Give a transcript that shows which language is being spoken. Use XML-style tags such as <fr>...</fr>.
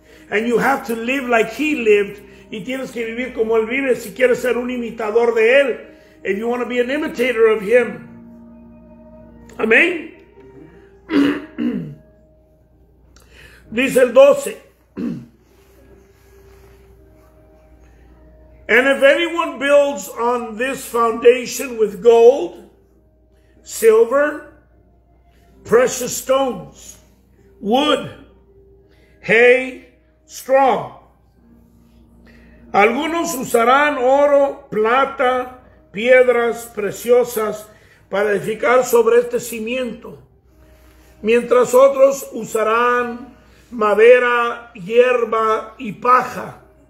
<en>And you have to live like He lived.</en> <es>Y tienes que vivir como Él vive si quieres ser un imitador de Él.</es> <en>If you want to be an imitator of Him. Amén.</en> <es>Dice el 12.</es> <en>And if anyone builds on this foundation with gold, silver, precious stones, wood, hay, straw.</en> <es>Algunos usarán oro, plata, piedras preciosas para edificar sobre este cimiento. Mientras otros usarán madera, hierba y paja.</es>